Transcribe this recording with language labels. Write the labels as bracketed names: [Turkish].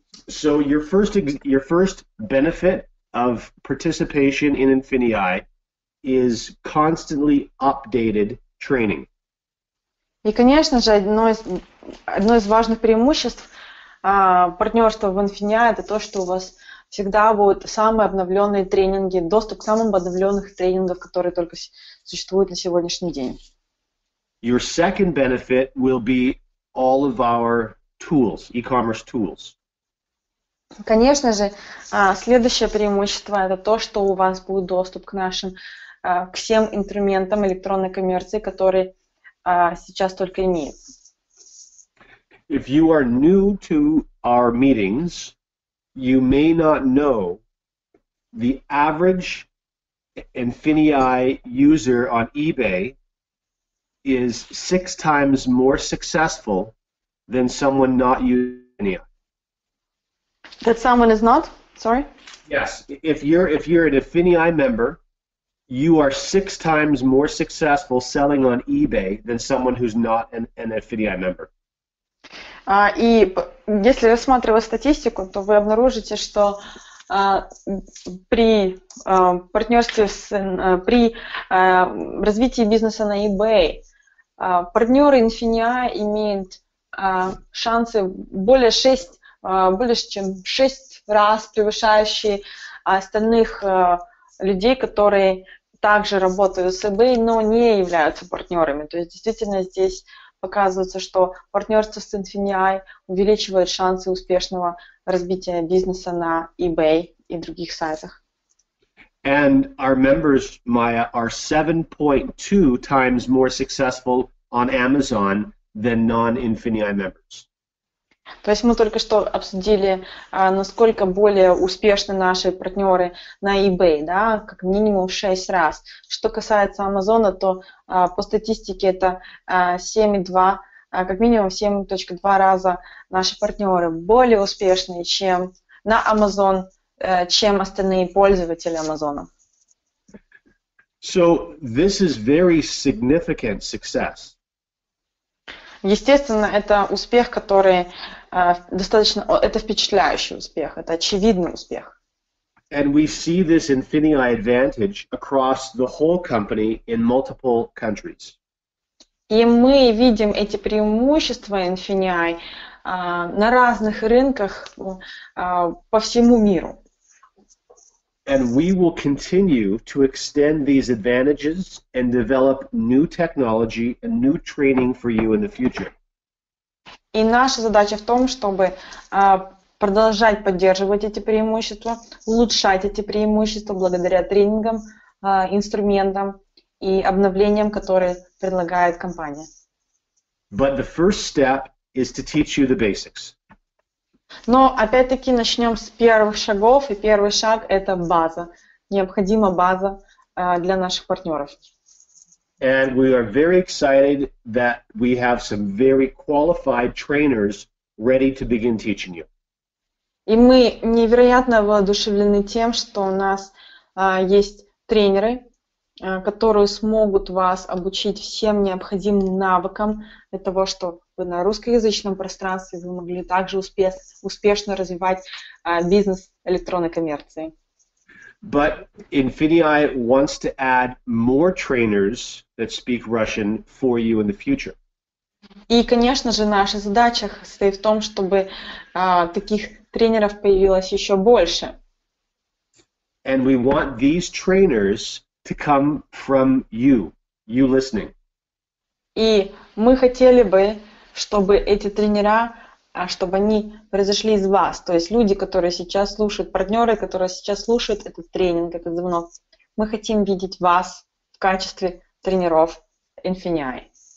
[English] So your first benefit of participation in Infinii is constantly updated training. [Russian] И, конечно же, одно из важных преимуществ партнерства в Infinii – это то, что у вас всегда будут самые обновленные тренинги, доступ к самым обновленных тренингам, которые только существуют на сегодняшний день. [English] Your second benefit will be all of our tools, e-commerce tools. [Russian] Конечно же, следующее преимущество – это то, что у вас будет доступ к нашим, к всем инструментам электронной коммерции, которые сейчас только имеет. [English] If you are new to our meetings, you may not know the average Infinii user on eBay is 6 times more successful than someone not using Infinii. That someone is not? Sorry? Yes. If you're an Infinii member, you are 6 times more successful selling on eBay than someone who's not an Infinii member. [Russian] И если рассматривать статистику, то вы обнаружите, что развитии бизнеса на eBay партнеры Infinii имеют шансы более чем 6 раз превышающие остальных людей, которые также работают с eBay, но не являются партнерами. То есть действительно здесь показывается, что партнерство с Infinii увеличивает шансы успешного разбития бизнеса на eBay и других сайтах. [English] And our members, Maya, are 7.2 times more successful on Amazon than non-Infinii members. [Russian] То есть мы только что обсудили, насколько более успешны наши партнеры на eBay, да, как минимум в 6 раз. Что касается Амазона, то по статистике это 7.2, как минимум 7.2 раза наши партнеры более успешные, чем на Amazon, чем остальные пользователи Амазона. [English] So this is very significant success. [Russian] Естественно, это успех, который достаточно, это впечатляющий успех, это очевидный успех. [English] And we see this Infinii advantage across the whole company in multiple countries. [Russian] И мы видим эти преимущества Infinii на разных рынках по всему миру. [English] And we will continue to extend these advantages and develop new technology and new training for you in the future. [Russian] И наша задача в том, чтобы продолжать поддерживать эти преимущества, улучшать эти преимущества благодаря тренингам, инструментам и обновлениям, которые предлагает компания. [English] But the first step is to teach you the basics. [Russian] Но опять-таки начнем с первых шагов, и первый шаг – это база. Необходима база для наших партнеров. [English] And we are very excited that we have some very qualified trainers ready to begin teaching you. [Russian] И мы невероятно воодушевлены тем, что у нас есть тренеры, которые смогут вас обучить всем необходимым навыкам для того, чтобы на русскоязычном пространстве вы могли также успешно развивать бизнес электронной коммерции. [English] But Infinii wants to add more trainers that speak Russian for you in the future. [Russian] И, конечно же, наша задача состоит в том, чтобы таких тренеров появилось еще больше. [English] And we want these trainers to come from you, you listening. [Russian] И мы хотели бы, чтобы эти тренера, чтобы они произошли из вас, то есть люди, которые сейчас слушают, партнеры, которые сейчас слушают этот тренинг, этот звонок. Мы хотим видеть вас в качестве тренеров Infinii.